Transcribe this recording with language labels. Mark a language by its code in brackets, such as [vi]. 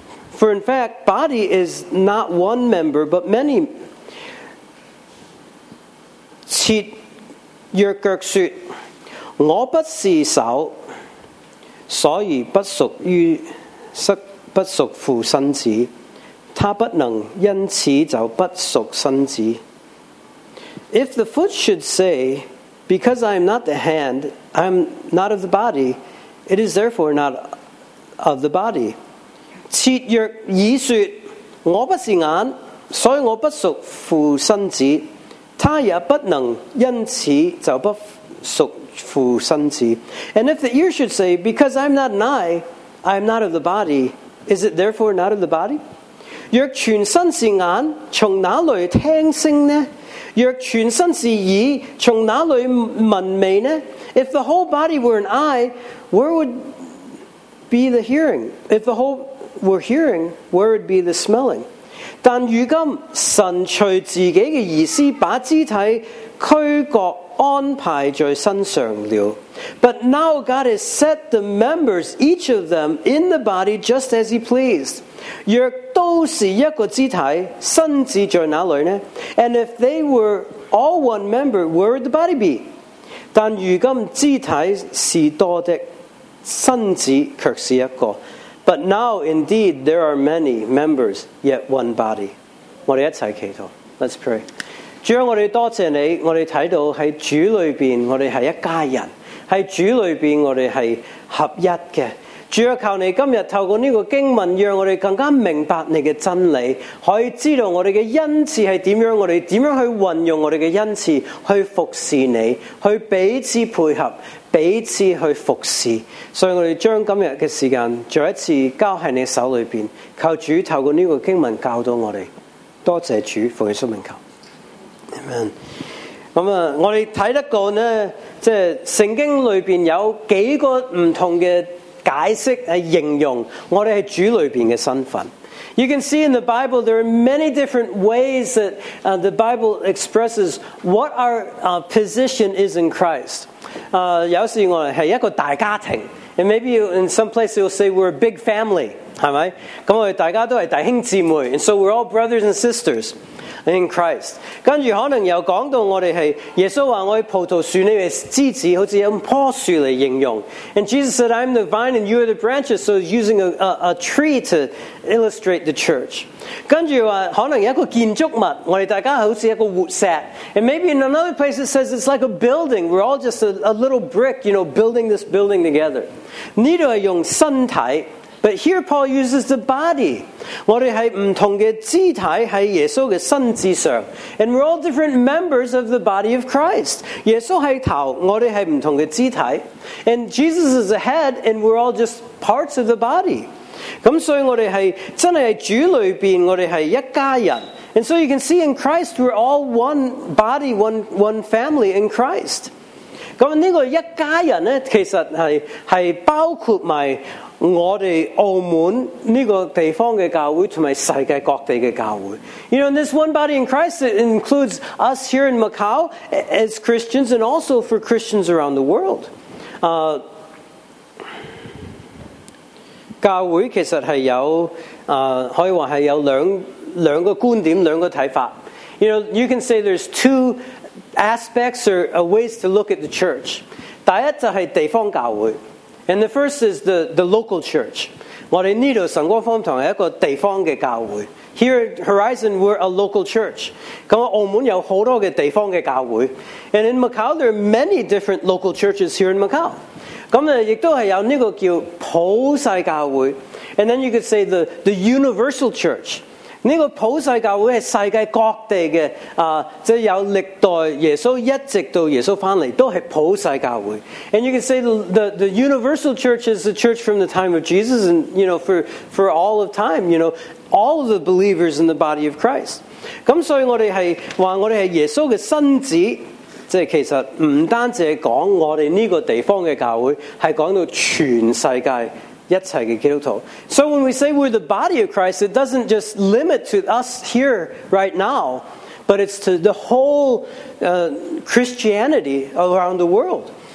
[en] For in fact, body is not one member, but many. [zh] 切若各说我不是手，所以不属于不属乎身子，他不能因此就不属身子。 [en] If the foot should say, "Because I am not the hand, I am not of the body," it is therefore not of the body. [zh] 切若耳说我不是眼，所以我不属乎身子，他也不能因此就不属。 [en] And if the ear should say, "Because I am not an eye, I am not of the body," is it therefore not of the body? [zh] 若全身是眼，从哪里听声呢？若全身是耳，从哪里闻味呢？ [en] If the whole body were an eye, where would be the hearing? If the whole were hearing, where would be the smelling? [zh] 但如今神随自己的意思把肢体躯壳安排在身上了。 [en] But now God has set the members, each of them, in the body just as he pleased. [zh] 若都是一个肢体，身子在哪里呢？ [en] And if they were all one member, where would the body be? [zh] 但如今肢体是多的，身子却是一个。 [en] But now, indeed, there are many members, yet one body. [zh] 我们一起祈祷。 [en] Let's pray. [zh] 主，我们多谢你，我们看到在主里面我们是一家人，在主里面我们是合一的。主，求你今天透过这个经文，让我们更加明白你的真理，可以知道我们的恩赐是怎样，我们怎样去运用我们的恩赐去服侍你，去彼此配合，彼此去服侍。所以我们将今天的时间再一次交在你手里面，求主透过这个经文教导我们。多谢主，奉耶稣名求， Amen。我们看得过呢，就是圣经里面有几个不同的解释形容我们是主里面的身份。 [en] You can see in the Bible, there are many different ways that the Bible expresses what our position is in Christ. [zh] 有时我们是一个大家庭。 [en] And maybe in some place you'll say we're a big family, [zh] 是不是？那我们大家都是弟兄姊妹。 [en] And so we're all brothers and sisters in Christ. [zh] 跟着可能又讲到我们是耶稣说我是葡萄树，你们是枝子，好像用棵树来形容。 [en] And Jesus said, I'm the vine and you are the branches, so he's using a tree to illustrate the church. [zh] 跟着说可能有一个建筑物，我们大家好像一个活石。 [en] And maybe in another place it says it's like a building, we're all just a little brick, you know, building this building together. [zh] 这里是用身体。 [en] But here Paul uses the body. [zh] 我们是不同的肢体在耶稣的身子上。 [en] And we're all different members of the body of Christ. [zh] 耶稣是头，我们是不同的肢体。 [en] And Jesus is the head, and we're all just parts of the body. [zh] 咁所以我们是真的在主里面，我们是一家人。 [en] And so you can see in Christ, we're all one body, one family in Christ. [zh] 咁这个一家人呢，其实 是包括埋我们澳门这个地方的教会，还有世界各地的教会。 [en] You know, this one body in Christ, it includes us here in Macau as Christians and also for Christians around the world. [zh] 教会其实是有可以说是有两个观点，两个看法。 [en] You know, you can say there's two aspects or ways to look at the church. [zh] 第一就是地方教会。 [en] And the first is the local church. [zh] 我们这里神光方堂是一个地方的教会。 [en] Here at Horizon, we're a local church. [zh] 那澳门有很多的地方的教会。 [en] And in Macau, there are many different local churches here in Macau. [zh] 那也都是有这个叫普世教会。 [en] And then you could say the universal church. [zh] 这个普世教会是世界各地的，即有历代耶稣一直到耶稣回来都是普世教会。 [en] And you can say the universal church is the church from the time of Jesus and, you know, for all of time, you know, all of the believers in the body of Christ. [zh] 咁所以我们是说我们是耶稣的身子，即其实不单只是讲我们这个地方的教会，是讲到全世界一切的基督徒。 [en] So when we say we're the body of Christ, it doesn't just limit to us here right now, but it's to the whole Christianity around the world.